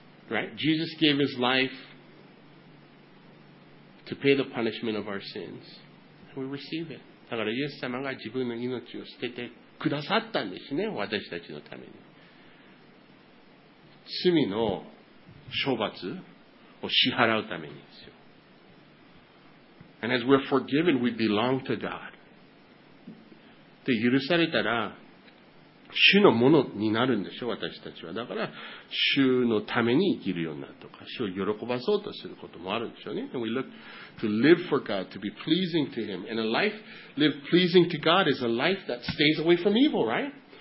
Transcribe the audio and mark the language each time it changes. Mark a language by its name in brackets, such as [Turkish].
[English] Right? Jesus gave his life to pay the punishment of our sins. We receive it. [Japanese] だからイエス様が自分の命を捨ててくださったんですね、私たちのために。罪の処罰を支払うためにですよ。 [English] And as we're forgiven, we belong to God. [Japanese] で、許されたら、主のものになるんでしょ、私たちは。だから、主のために生きるようになるとか、主を喜ばそうとすることもあるんでしょうね。 [English] And we look to live for God, to be pleasing to Him. And a life lived pleasing to God is a life that stays away from evil, right?